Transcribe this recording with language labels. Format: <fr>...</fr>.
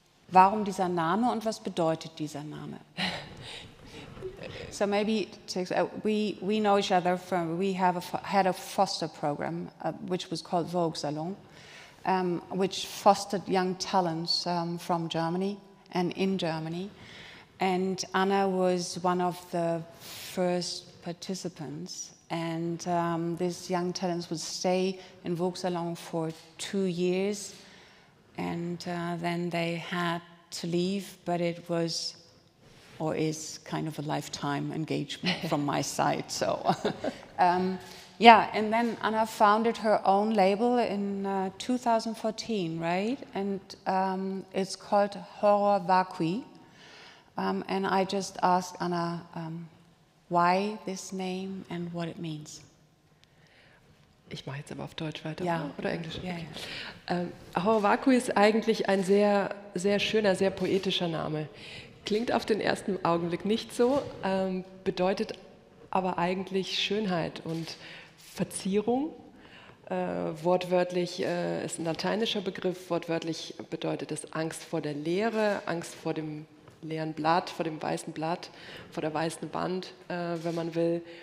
<de>Warum dieser Name und was bedeutet dieser Name?</de> <en>So maybe we know each other from we had a foster program which was called Vogue Salon, which fostered young talents from Germany and in Germany, and Anna was one of the first participants. And this young talent would stay in Vogue Salon for 2 years, and then they had to leave. But it was, or is, kind of a lifetime engagement from my side. So, yeah. And then Anna founded her own label in 2014, right? And it's called Horror Vacui. And I just asked Anna, why this name and what it means.</en> <de>Ich mache jetzt aber auf Deutsch weiter, ja. Oder Englisch? Ja, okay. Ja. Horror Vacui ist eigentlich ein sehr, sehr schöner, sehr poetischer Name. Klingt auf den ersten Augenblick nicht so, bedeutet aber eigentlich Schönheit und Verzierung. Wortwörtlich ist ein lateinischer Begriff, wortwörtlich bedeutet es Angst vor der Leere, Angst vor dem leeren Blatt, vor dem weißen Blatt, vor der weißen Wand, wenn man will.</de>